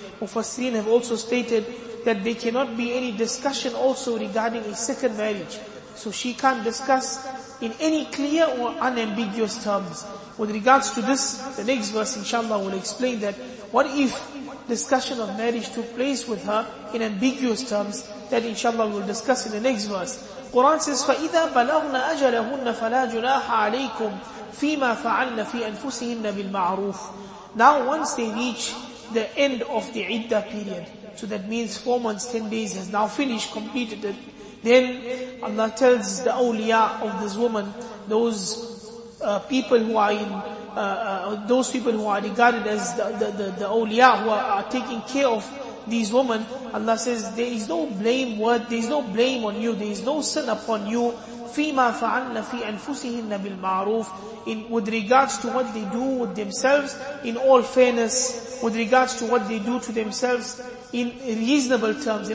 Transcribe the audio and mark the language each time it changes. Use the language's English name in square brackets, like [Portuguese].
[English] Mufassirin have also stated that there cannot be any discussion also regarding a second marriage. So she can't discuss in any clear or unambiguous terms. With regards to this, the next verse inshallah will explain that what if discussion of marriage took place with her in ambiguous terms, that inshallah we will discuss in the next verse. Quran says, [Arabic] فَإِذَا بَلَغْنَ أَجَلَهُنَّ فَلَا جُنَاحَ عَلَيْكُمْ فِيمَا فَعَلْنَ فِي أَنفُسِهِنَّ بِالْمَعْرُوفِ. [English] Now once they reach the end of the iddah period, so that means 4 months, 10 days has now finished, completed it, then Allah tells the awliya of this woman, those people who are in, those people who are regarded as the awliya, who are taking care of these women, Allah says, there is no blame word, there is no blame on you, there is no sin upon you, [Arabic] فِيمَا فَعَلْنَا فِي أَنفُسِهِنَّ بِالْمَعْرُوفِ, [English] in with regards to what they do with themselves, in all fairness, with regards to what they do to themselves, in reasonable terms.